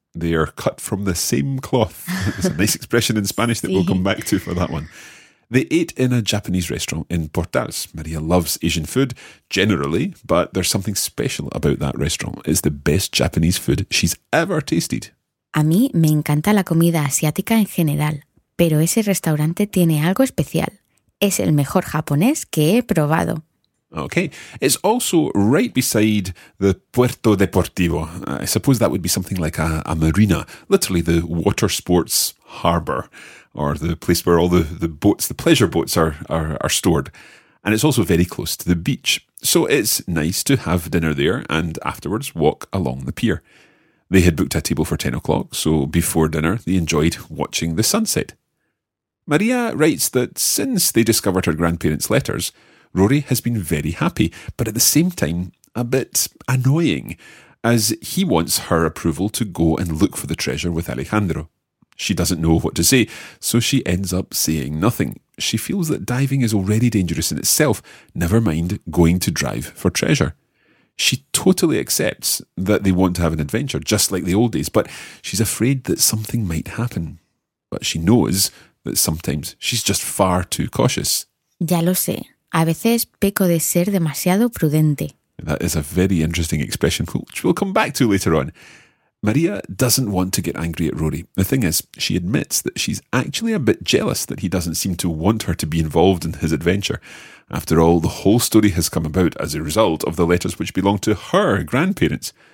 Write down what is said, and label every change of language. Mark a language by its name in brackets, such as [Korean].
[English] They are cut from the same cloth. It's a nice expression in Spanish that we'll come back to for that one. They ate in a Japanese restaurant in Portales. Maria loves Asian food generally, but there's something special about that restaurant. It's the best Japanese food she's ever tasted. [Spanish] A mí me encanta la comida asiática en general, pero ese restaurante tiene algo especial. Es el mejor japonés que he probado. [English] Okay, it's also right beside the Puerto Deportivo. I suppose that would be something like a marina, literally the water sports harbour, or the place where all the boats, the pleasure boats are stored. And it's also very close to the beach. So it's nice to have dinner there and afterwards walk along the pier. They had booked a table for 10 o'clock, so before dinner, they enjoyed watching the sunset. Maria writes that since they discovered her grandparents' letters, Rory has been very happy, but at the same time, a bit annoying, as he wants her approval to go and look for the treasure with Alejandro. She doesn't know what to say, so she ends up saying nothing. She feels that diving is already dangerous in itself, never mind going to drive for treasure. She totally accepts that they want to have an adventure, just like the old days, but she's afraid that something might happen. But she knows that sometimes she's just far too cautious. [Spanish] Ya lo sé. A veces peco de ser demasiado prudente. [English] That is a very interesting expression, which we'll come back to later on. Maria doesn't want to get angry at Rory. The thing is, she admits that she's actually a bit jealous that he doesn't seem to want her to be involved in his adventure. After all, the whole story has come about as a result of the letters which belong to her grandparents.